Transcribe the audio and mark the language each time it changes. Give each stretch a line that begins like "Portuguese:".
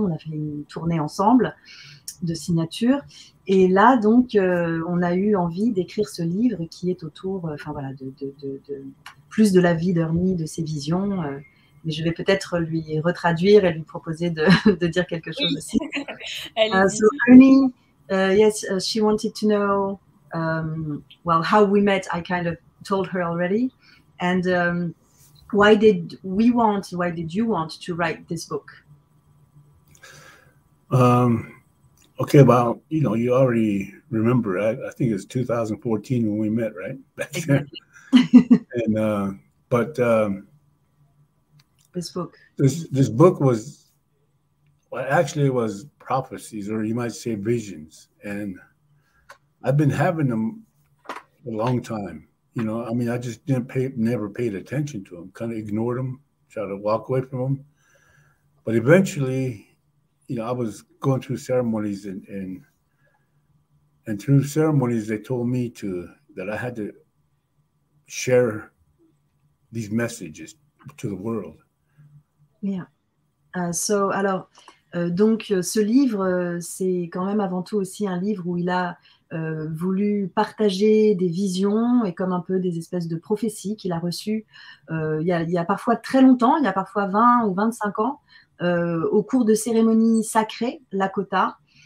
French: On a fait une tournée ensemble de signatures. Et là, donc, on a eu envie d'écrire ce livre qui est autour, enfin voilà, de plus de la vie d'Ernie, de ses visions. Mais je vais peut-être lui retraduire et lui proposer de dire quelque chose Oui, aussi.
English: So,
French: allez-y.
English: Ernie, yes, she wanted to know, well, how we met. I kind of told her already. And why did you want to write this book? Okay, well, you already remember, right? I think it was 2014 when we met, right? Back then. Exactly. And, but, This book. This book was, well, actually it was prophecies, or you might say visions. And I've been having them a long time. I mean, I just didn't pay, never paid attention to them, kind of ignored them, tried to walk away from them. But eventually, I was going through ceremonies, and through ceremonies, they told me to that I had to share these messages to the world. Yeah.
French: Ce livre, c'est quand même avant tout aussi un livre où il a voulu partager des visions et comme un peu des espèces de prophéties qu'il a reçues il y a parfois très longtemps, il y a parfois 20 ou 25 ans, au cours de cérémonies sacrées, Lakota.